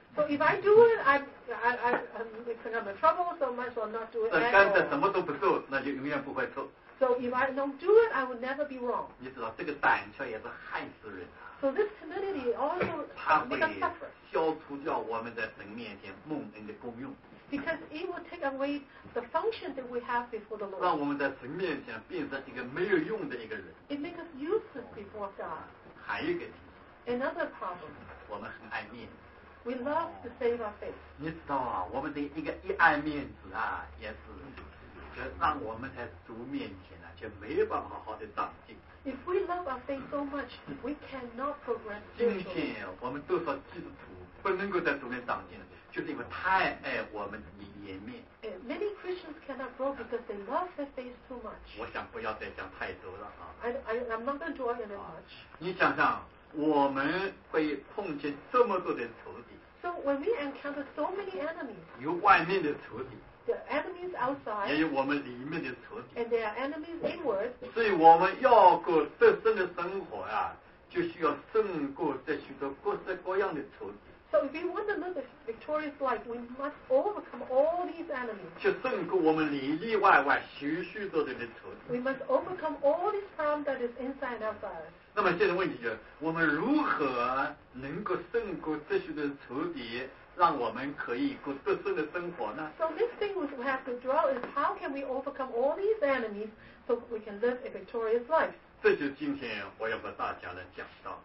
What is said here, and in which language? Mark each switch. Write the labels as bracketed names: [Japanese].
[English] So if I do it, I'm in trouble. So might as well not do it. [Chinese] 那干脆什么都不做，那就永远不会错。 [English] So if I don't do it, I would never be wrong. [Chinese] 你知道这个胆怯也是害死人。 [English] So this timidity also makes us suffer. [Chinese] 消除掉我们在神面前蒙恩的功用。 [English] Because it will take away the function that we have before the Lord. [Chinese] 让我们在神面前变成一个没有用的一个人。 [English] It makes us useless before God. [Chinese] 还有一个题。 [English] Another problem. [Chinese] 我们很爱面。 [English] We love to save our face. [Chinese] 你知道啊，我们的一个一爱面子啊，也是。让我们在主面前呢，就没办法好好的长进。 [English] If we love our faith so much, we cannot progress. [Chinese] 今天我们都说基督徒不能够在主面长进，就是因为太爱我们的颜面。 [English] Many Christians cannot grow because they love their faith too much. [Chinese] 我想不要再讲太多了啊。 [English] I'm not going to dwell on it much. [Chinese] 你想想，我们会碰见这么多的仇敌。 [English] So when we encounter so many enemies. [Chinese] 有外面的仇敌。 [English] The enemies outside, [Chinese] 也有我们里面的仇敌 [English] and there are enemies inward. [Chinese] 所以我们要过得胜的生活啊，就需要胜过这许多各式各样的仇敌。 [English] So if we want to live a victorious life, we must overcome all these enemies. [Chinese] 去胜过我们里里外外许许多多的仇敌。 [English] We must overcome all these problems that is inside and outside. [Chinese] 那么现在问题就是，我们如何能够胜过这许多仇敌？让我们可以过得胜的生活呢 [English] ？So this thing we have to draw is how can we overcome all these enemies so we can live a victorious life？ [Chinese] 这就是今天我要和大家来讲到。